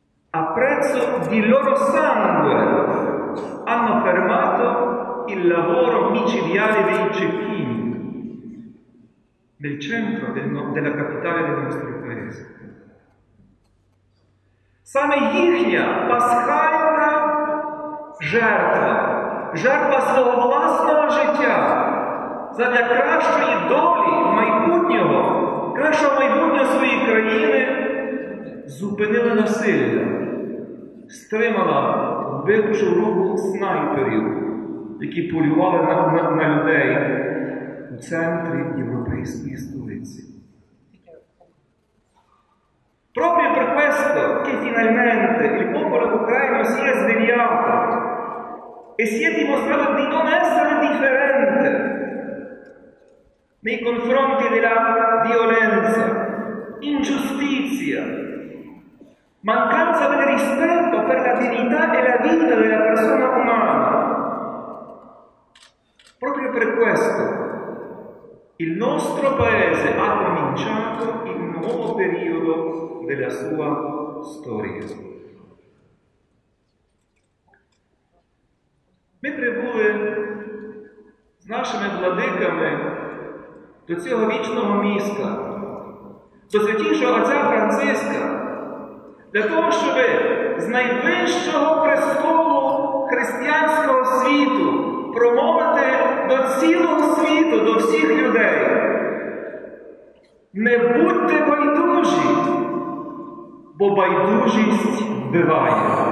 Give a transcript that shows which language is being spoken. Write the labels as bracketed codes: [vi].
[it] A prezzo di loro sangue hanno fermato il lavoro micidiale dei cecchini nel centro della capitale del nostro paese. [uk] Саме їхня пасхальна жертва, жертва свого власного життя задля кращої долі майбутнього, кращого майбутнього своєї країни, зупинила насилля, стримала вбивчу руку снайперів, які полювали на людей у центрі європейської столиці. [it] Proprio per questo che finalmente il popolo ucraino si è svegliato e si è dimostrato di non essere differente nei confronti della violenza, ingiustizia, mancanza del rispetto per la dignità e la vita della persona umana. Proprio per questo il nostro paese ha cominciato il nuovo periodo della sua storia. Mentre [uk] були з нашими владиками до цього вічного міста, до Святішого Отця Франциска, для того, щоб з найвищого престолу християнського світу промовити до цілого світу, до всіх людей: не будьте байдужі, бо байдужість вбиває.